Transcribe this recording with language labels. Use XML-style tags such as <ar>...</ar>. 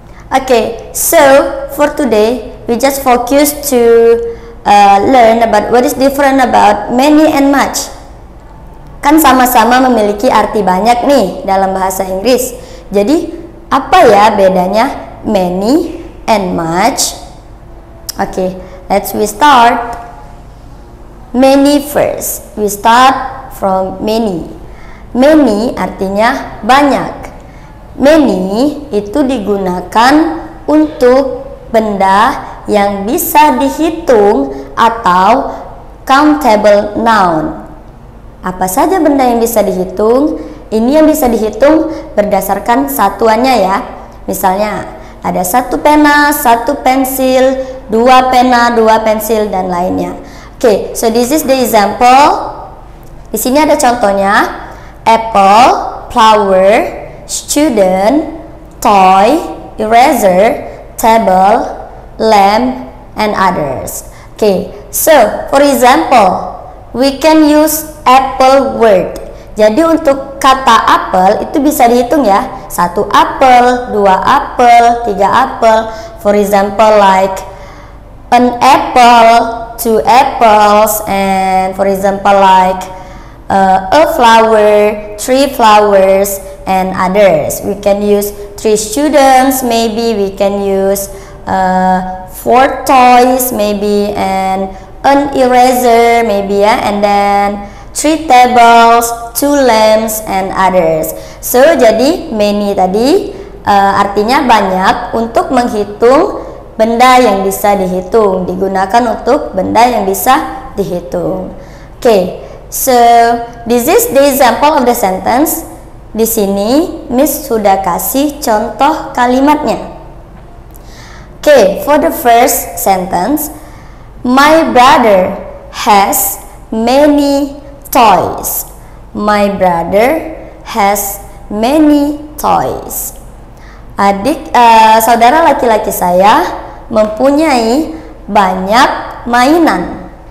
<en>Okay, so for today, we just focus to learn about what is different about many and much.</en> <id>Kan sama-sama memiliki arti banyak nih dalam bahasa Inggris. Jadi, apa ya bedanya many and much?</id> <en>Okay, let's we start many first. We start from many.</en> <id>Many artinya banyak. Many itu digunakan untuk benda yang bisa dihitung atau countable noun. Apa saja benda yang bisa dihitung? Ini yang bisa dihitung berdasarkan satuannya ya. Misalnya, ada satu pena, satu pensil, dua pena, dua pensil, dan lainnya.</id> <en>Okay, so this is the example.</en> <id>Di sini ada contohnya.</id> <en>Apple, flower, student, toy, eraser, table, lamp, and others. Okay, so for example, we can use apple word.</en> <id>Jadi untuk kata apple itu bisa dihitung ya. Satu apple, dua apple, tiga apple.</id> <en>For example like an apple, two apples, and for example like a flower, three flowers, and others. We can use three students, maybe we can use four toys, maybe, and an eraser, maybe, yeah, and then three tables, two lamps, and others.</en> <id>So, jadi many tadi artinya banyak untuk menghitung benda yang bisa dihitung, digunakan untuk benda yang bisa dihitung.</id> <en>Okay, so this is the example of the sentence.</en> <id>Di sini Miss sudah kasih contoh kalimatnya.</id> <en>Okay, for the first sentence, my brother has many toys. My brother has many toys.</en> <id>Adik, saudara laki-laki saya mempunyai banyak mainan.</id>